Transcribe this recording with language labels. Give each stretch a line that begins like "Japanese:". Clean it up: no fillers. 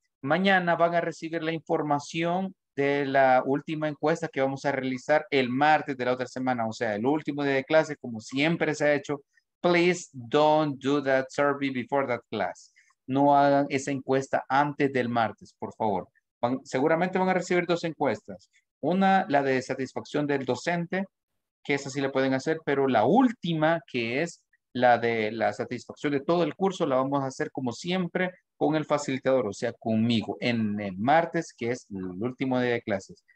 Spanish: Mañana van a recibir la información de la última encuesta que vamos a realizar el martes de la otra semana. O sea, el último día de clase, como siempre se ha hecho.
English: Please don't do that survey before that class.
Spanish: No hagan esa encuesta antes del martes, por favor. Seguramente van a recibir dos encuestas. Una, la de satisfacción del docente, que esa sí la pueden hacer, pero la última, que es la de la satisfacción de todo el curso, la vamos a hacer como siempre con el facilitador, o sea, conmigo, en el martes, que es el último día de clases.